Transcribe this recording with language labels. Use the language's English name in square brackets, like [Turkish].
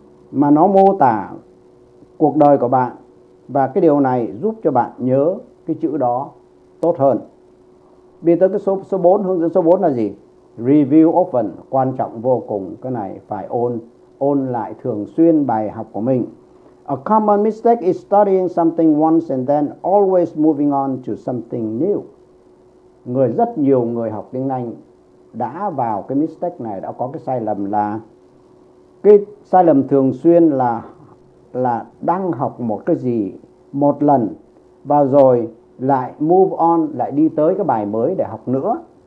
[Vietnamese] Mà nó mô tả cuộc đời của bạn. Và cái điều này giúp cho bạn nhớ cái chữ đó tốt hơn. Bây giờ tới cái số 4, hướng dẫn số 4 là gì? [English] Review often, [Vietnamese] quan trọng vô cùng. Cái này phải ôn lại thường xuyên bài học của mình. [English] A common mistake is studying something once and then always moving on to something new. [Vietnamese] Người rất nhiều người học tiếng Anh đã vào cái mistake này, đã có cái sai lầm là cái sai lầm thường xuyên là đang học một cái gì một lần và rồi lại move on, lại đi tới cái bài mới để học nữa.